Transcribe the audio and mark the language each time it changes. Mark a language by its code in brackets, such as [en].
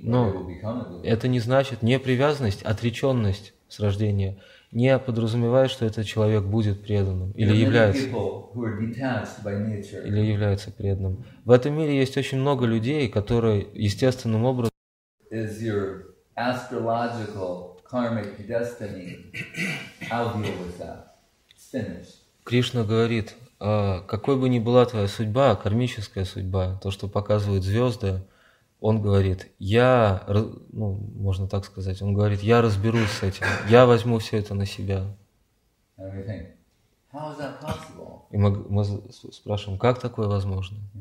[ru] но [en] they will become a devotee. [ru] Это не значит непривязанность, отреченность с рождения, не подразумевает, что этот человек будет преданным или является, преданным. В этом мире есть очень много людей, которые естественным образом... [en] Is your astrological karmic destiny, I'll deal with that. [ru] Кришна говорит, какой бы ни была твоя судьба, кармическая судьба, то, что показывают звезды, он говорит, я разберусь с этим, я возьму все это на себя. И мы спрашиваем, как такое возможно?